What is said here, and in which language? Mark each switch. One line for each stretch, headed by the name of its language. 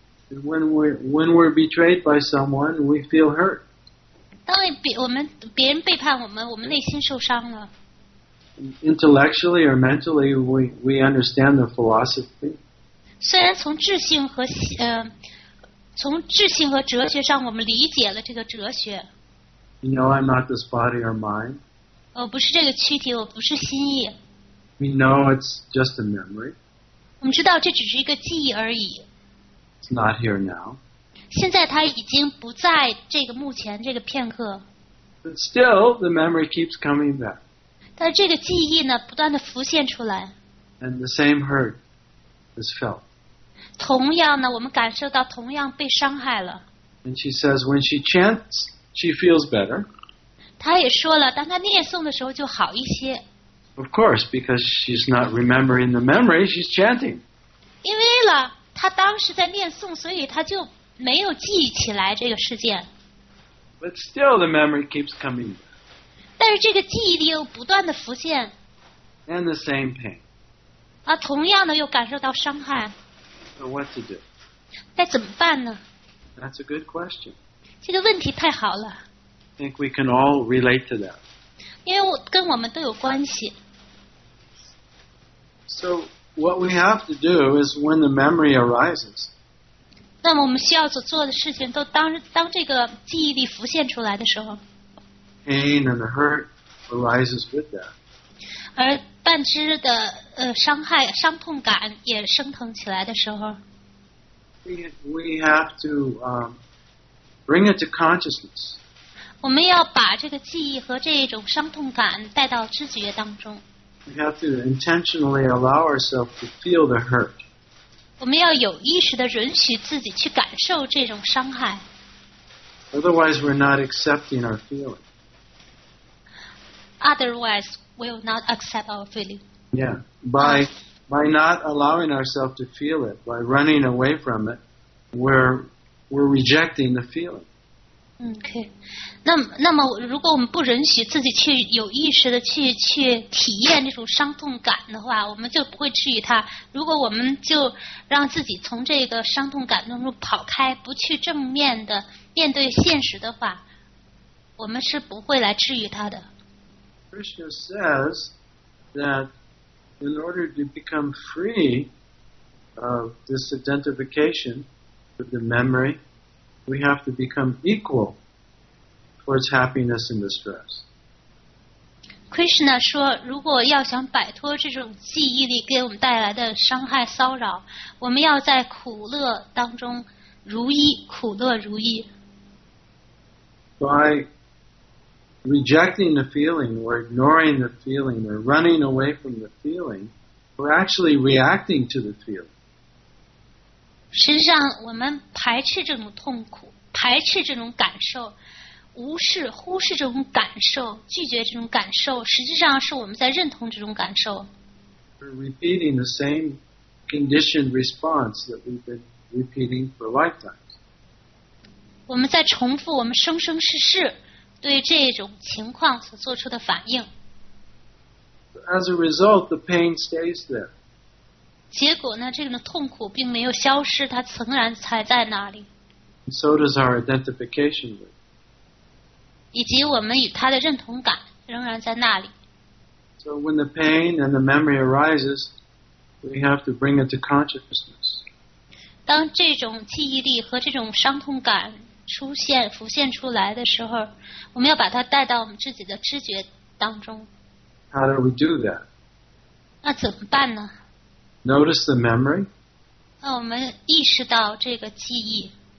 English: When we're betrayed by someone, we feel hurt.
Chinese: 当别人背叛我们内心受伤了。
English: Intellectually or mentally, we understand the philosophy.
Chinese: 虽然从智性和从智性和哲学上，我们理解了这个哲学。
English: You know I'm not this body or mind.
Chinese: 我不是这个躯体，我不是心意。
English: We know it's just a memory.
Chinese: 我们知道这只是一个记忆而已。
English: It's not here now.
Chinese: 现在它已经不在这个目前这个片刻。
English: But still, the memory keeps coming back.
Chinese: 但这个记忆呢，不断的浮现出来。
English: And the same hurt is felt.
Chinese: 同样呢，我们感受到同样被伤害了。
English: And she says when she chants, she feels better.
Chinese: 她也说了，当她念诵的时候就好一些。
English: Of course, because she's not remembering the memory, she's chanting.
Chinese: 因为了她当时在念诵，所以她就没有记忆起来这个事件。
English: But still, the memory keeps coming.
Chinese: 但是这个记忆力又不断的浮现。
English: And the same pain.
Chinese: 同样呢，又感受到伤害。
English: So what to do?
Chinese: 该怎么办呢?
English: That's a good question.
Chinese: 这个问题太好了。
English: I think we can all relate to that.
Chinese: 因为跟我们都有关系。
English: So What we have to do is when the memory arises.
Chinese: 那么我们需要所做的事情都当这个记忆力浮现出来的时候。
English: Pain and the hurt arises with that.
Chinese: 而半只的伤害伤痛感也升腾起来的时候。
English: We have to bring it to consciousness.
Chinese: 我们要把这个记忆和这种伤痛感带到知觉当中。
English: We have to intentionally allow ourselves to feel the hurt.
Chinese: 我们要有意识地允许自己去感受这种伤害。
English: Otherwise, we're not accepting our feeling. Otherwise, we'll not accept our feeling. Yeah, by not allowing ourselves to feel it, by running away from it, we're rejecting the feeling. Okay.
Chinese: 那么如果我们不允许自己去有意识的去体验那种伤痛感的话，我们就不会治愈它。如果我们就让自己从这个伤痛感当中跑开，不去正面的面对现实的话，我们是不会来治愈它的。
English: Krishna says that in order to become free of this identification with the memory, we have to become equal towards happiness and distress.
Chinese: Krishna 说，如果要想摆脱这种记忆力给我们带来的伤害骚扰，我们要在苦乐当中如一，苦乐如一。
English: By rejecting the feeling, or ignoring the feeling, or running away from the feeling, we're actually reacting to the feeling.
Chinese: 实际上，我们排斥这种痛苦，排斥这种感受，无视、忽视这种感受，拒绝这种感受，实际上是我们在认同这种感受。
English: We're repeating the same conditioned response that we've been repeating for lifetimes.
Chinese: 我们在重复我们生生世世对这种情况所做出的反应。
English: As a result, the pain stays there.
Chinese: 结果呢，这个痛苦并没有消失，它仍然才在那里。
English: And so does our identification with.
Chinese: 以及我们与它的认同感仍然在那里。
English: So when the pain and the memory arises, we have to bring it to consciousness.
Chinese: 当这种记忆力和这种伤痛感出现浮现出来的时候，我们要把它带到我们自己的知觉当中。
English: How do we do that?
Chinese: 那怎么办呢？
English: Notice the memory.
Chinese: 那我们意识到这个记忆。